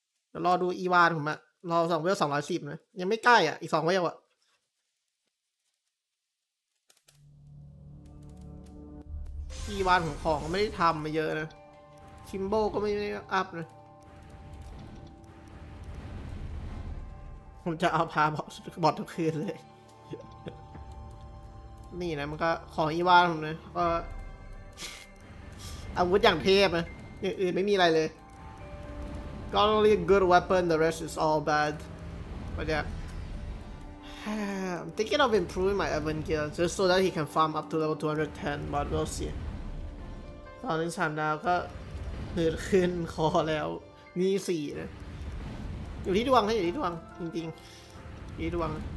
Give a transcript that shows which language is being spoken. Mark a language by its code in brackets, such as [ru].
[th] เดี๋ยวรอดูอีวานผมอะรอ2เวล210นะยังไม่ใกล้อ่ะอีก2เวลอ่ะอีวานของไม่ได้ทำมาเยอะนะคิมโบก็ไม่ได้อัพนะผมจะเอาพาบอททุกคืนเลยนี่นะมันก็ของอีวานผมเลยก็ อาวุธอย่างเทพอ่ะไม่มีอะไรเลย [en] Got only a good weapon, the rest is all bad. But yeah. I'm thinking of improving my Evan gear just so that he can farm up to level 210, but we'll see. [th] ตอนนี้ฉันดาวก็หืดขึ้นคอแล้วมี 4 นะอยู่ที่ดวงให้อยู่ที่ดวงจริงๆอยู่ที่ดวง